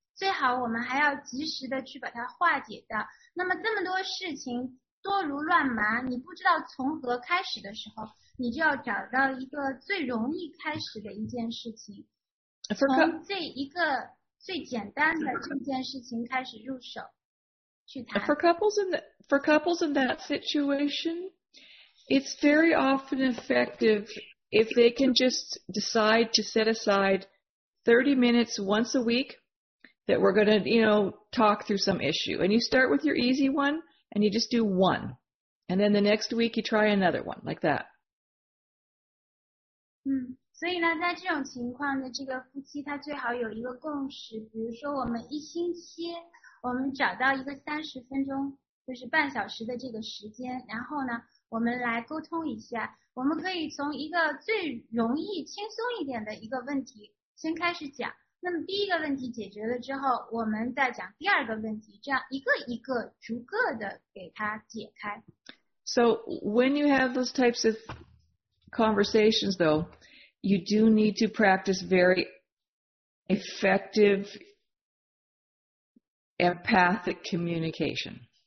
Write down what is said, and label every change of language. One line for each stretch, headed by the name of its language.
Chinese: 最好我们还要及时的去把它化解掉。那么这么多事情多如乱麻，你不知道从何开始的时候，你就要找到一个最容易开始的一件事情，从这一个最简单的这件事情开始入手去谈。
English: For couples in that situation, it's very often effective if they can just decide to set aside 30 minutes once a week. That we're going to, you know, talk through some issue. And you start with your easy one, and you just do one. And then the next week, you try another one, like that.
Chinese: 所以呢，在这种情况的这个夫妻，他最好有一个共识。比如说，我们一星期，我们找到一个30分钟，就是半小时的这个时间，然后呢，我们来沟通一下。我们可以从一个最容易、轻松一点的一个问题先开始讲。那么第一个问题解决了之后，我们再讲第二个问题，这样一个一个逐个的给它解开。
English: So when you have those types of conversations, though, you do need to practice very effective empathic communication.